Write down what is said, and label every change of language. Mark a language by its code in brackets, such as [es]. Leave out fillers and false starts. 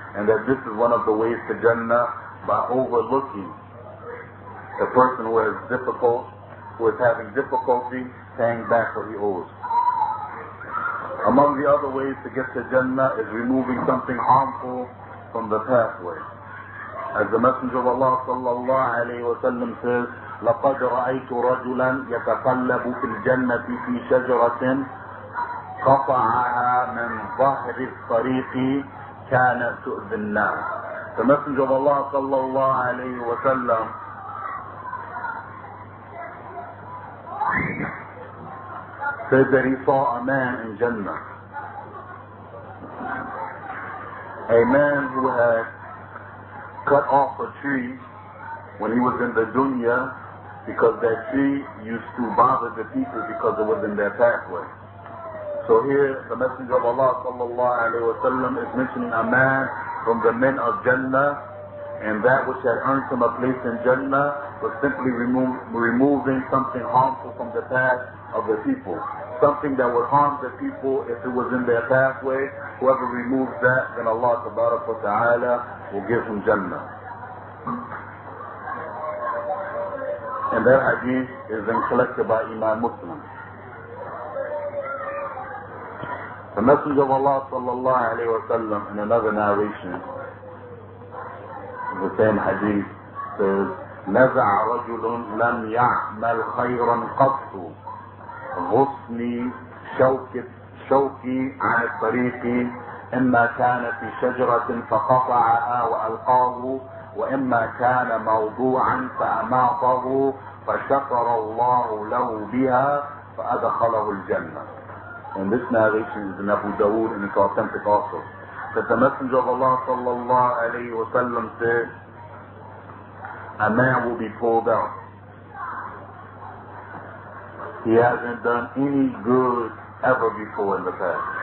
[en] And that this is one of the ways to Jannah, by overlooking the person who is difficult, who is having difficulty paying back what he owes. Among the other ways to get to Jannah is removing something harmful from the pathway. As the Messenger of Allah sallallahu alayhi wa sallam says, [ar] لَقَدْ رَأَيْتُ رَجُلًا يَتَقَلَّبُ فِي الْجَنَّةِ فِي شَجْرَةٍ قَطَعَهَا مِنْ ظَهْرِ الطَّرِيقِ كَانَ تُؤْذِ النَّاسِ. [en] The Messenger of Allah sallallahu alayhi wa sallam said that he saw a man in Jannah. A man who had cut off a tree when he was in the dunya because that tree used to bother the people because it was in their pathway. So here the Messenger of Allah sallallahu alayhi wa sallam is mentioning a man from the men of Jannah, and that which had earned him a place in Jannah was simply removing something harmful from the path of the people. Something that would harm the people if it was in their pathway, whoever removes that, then Allah tabarak wa ta'ala will give him Jannah. And that hadith is then collected by Imam Muslim. The Messenger of Allah sallallahu alayhi wa sallam in another narration, the same hadith, says, [ar] نَزَعَ رَجُلٌ لَمْ يَعْمَلْ خَيْرًا قَطُّ غصني شوكي عن الطريق إما كان في شجرة فقطعها وألقاه وإما كان موضوعا فأماطه فشكر الله له بها فأدخله الجنة. [en] And this narration is in Abu Dawood and it's authentic also. That the Messenger of Allah sallallahu alayhi wa sallam said, a man will be pulled out. He hasn't done any good ever before in the past.